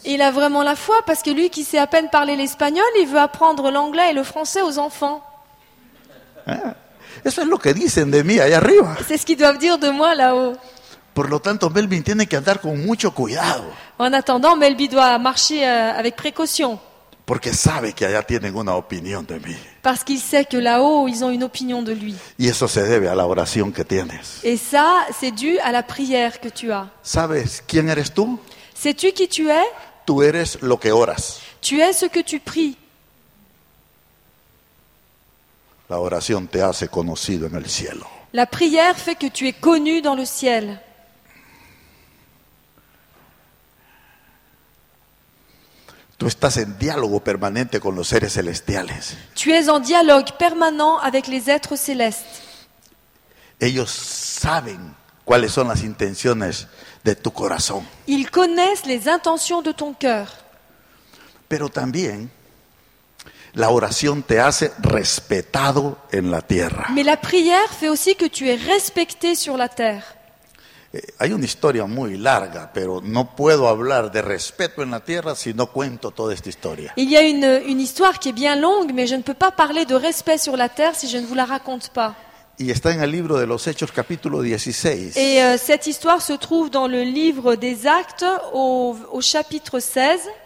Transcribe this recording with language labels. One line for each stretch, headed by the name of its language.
French: Il a vraiment la foi parce que lui qui sait à peine parler l'espagnol, il veut apprendre l'anglais et le français aux enfants.
Spanish: Eso es lo que dicen de mí allá arriba.
French: C'est ce qu'ils doivent dire de moi là-haut.
Spanish: Por lo tanto, Melvin tiene que andar con mucho cuidado.
French: En attendant, Melvin doit marcher avec précaution.
Spanish: Porque sabe que allá tienen una opinión de mí.
French: Parce qu'il sait que là-haut, ils ont une opinion de lui.
Spanish: Y eso se debe a la oración que tienes.
French: Et ça, c'est dû à la prière que tu as.
Spanish: ¿Sabes quién eres tú?
French: Sais-tu qui tu es?
Spanish: Tú eres lo que oras.
French: Tu es ce que tu pries.
Spanish: La oración te hace conocido en el cielo.
French: La prière fait que tu es connu dans le ciel.
Spanish: Tú estás en diálogo permanente con los seres celestiales.
French: Tu es en dialogue permanent avec les êtres célestes.
Spanish: Ellos saben cuáles son las intenciones de tu corazón.
French: Ils connaissent les intentions de ton cœur.
Spanish: Pero también la oración te hace respetado en la tierra.
French: Mais la prière fait aussi que tu es respecté sur la terre.
Spanish: Hay una historia muy larga, pero no puedo hablar de respeto en la tierra si no cuento toda esta historia.
French: Il y a une histoire qui est bien longue, mais je ne peux pas parler de respect sur la terre si je ne vous la raconte pas.
Spanish: Y está en el libro de los Hechos, capítulo 16.
French: Et cette histoire se trouve dans le livre des Actes au chapitre 16.